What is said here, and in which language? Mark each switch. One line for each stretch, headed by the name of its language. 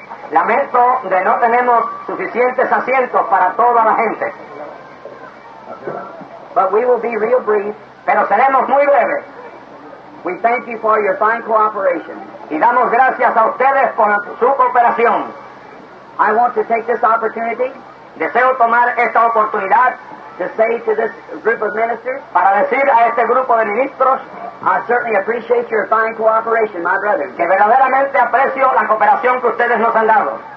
Spanish: Lamento de no tenemos suficientes asientos para toda la gente.
English: But we will be real brief, pero seremos muy breves. We thank you for your fine cooperation.
Spanish: Y damos gracias a ustedes por su cooperación.
English: I want to take this opportunity, deseo tomar esta oportunidad, to say to this group of ministers, para decir a este grupo de ministros, I certainly appreciate your fine cooperation, my brother.
Spanish: Que verdaderamente aprecio la cooperación que ustedes nos han dado.